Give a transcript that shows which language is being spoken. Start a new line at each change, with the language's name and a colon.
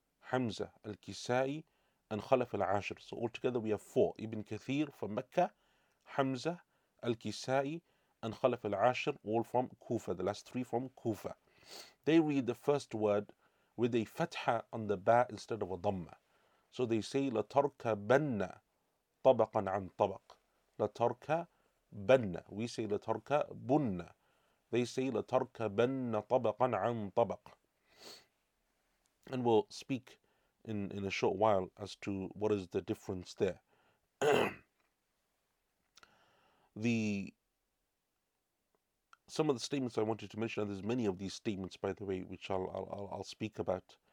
English: Hamza, Al-Kisai, and Khalaf Al-Ashir. So altogether we have 4. Ibn Kathir from Mecca, Hamza, Al-Kisai, and Khalaf Al-Ashir, all from Kufa, the last 3 from Kufa. They read the first word with a fatha on the ba instead of a dhamma. So they say,
Arabic: لَتَرْكَبَنَّ طَبَقًا عَن طَبَقٍ. لَتَرْكَبَنَّ.
English: We say
Arabic: لَتَرْكَبُنَّ.
English: They say
Arabic: لَتَرْكَبَنَّ طَبَقًا عَن طَبَقٍ.
English: And we'll speak in a short while as to what is the difference there. Some of the statements I wanted to mention, and there's many of these statements, by the way, which I'll speak about.